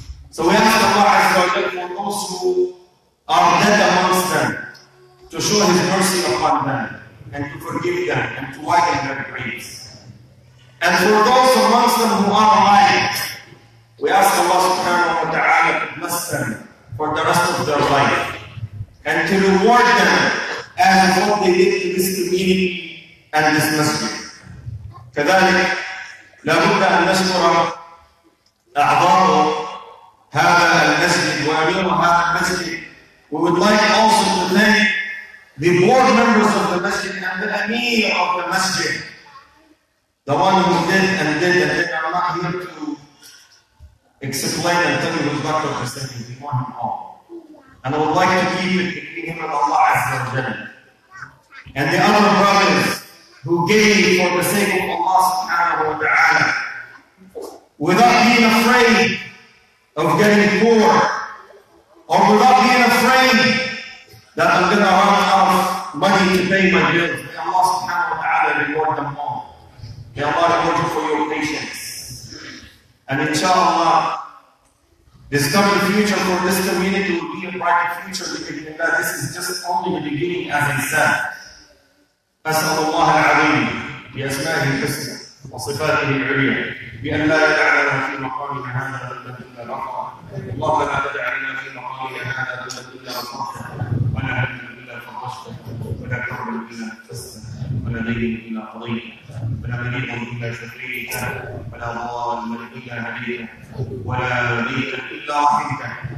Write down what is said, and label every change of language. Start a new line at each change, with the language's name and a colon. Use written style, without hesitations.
English: So we ask Allah Azza wa Jalla for those who are dead amongst them to show His mercy upon them and to forgive them and to widen their graves. And for those amongst them who are alive, we ask Allah Subhanahu wa Taala to bless them for the rest of their life and to reward them as what they did to this community and this masjid.
Arabic: كذلك لا بد أن نشكر أعضاءه هذا المسجد وأمير هذا المسجد.
English: We would like also to thank the board members of the masjid and the Amir of the masjid, the one who did and did and did. I'm not here to explain and tell you who's Dr. Hussein. We want him all. And I would like to keep it between him and Allah Azza wa Jalla. And the other brothers who gave for the sake of Allah Subhanahu wa Ta'ala without being afraid of getting poor, or without being afraid that I'm going to run out of money to pay my bills. May Allah subhanahu wa ta'ala reward them all. May Allah reward you for your patience. And inshallah, this coming future for this community will be a bright future, because this is just only the beginning, as I said.
Arabic: أسأل الله العليم بأسمائه الحسنى وصفاته العليا بأن لا يدعنا في مقامنا هذا إلا رفعه، الله لا تدعنا في مقامنا هذا إلا رفعه، ولا هم إلا فرشته، ولا كرب إلا فسته، ولا دين إلا قضيته، ولا مريض إلا شفيته، ولا ضال إلا هديته، ولا بيت إلا رحمته.